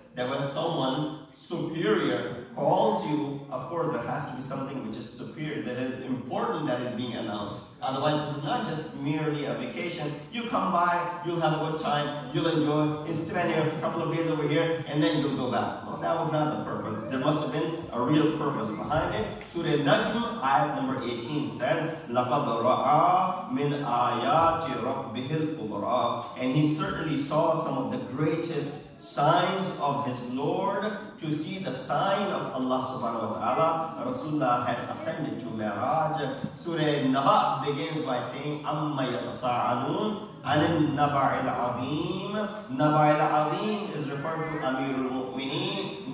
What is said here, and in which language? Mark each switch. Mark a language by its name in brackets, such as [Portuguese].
[English] That when someone superior calls you, of course there has to be something which is superior, that is important, that is being announced. Otherwise, it's not just merely a vacation. You come by, you'll have a good time, you'll enjoy, and spend a couple of days over here, and then you'll go back. Well, that was not the purpose. There must have been a real purpose behind it. Surah Najm, ayat number 18 says, [Arabic] لَقَدْ رَعَى مِنْ آيَاتِ رَبِّهِ الْكُبْرَى. [English] And he certainly saw some of the greatest signs of his Lord, to see the sign of Allah subhanahu wa ta'ala. Rasulullah had ascended to Mi'raj. Surah Naba begins by saying, [Arabic] Amma yatasa'alun anin naba'il azim. [English] Naba'il azim is referred to Amirul Mu'mineen.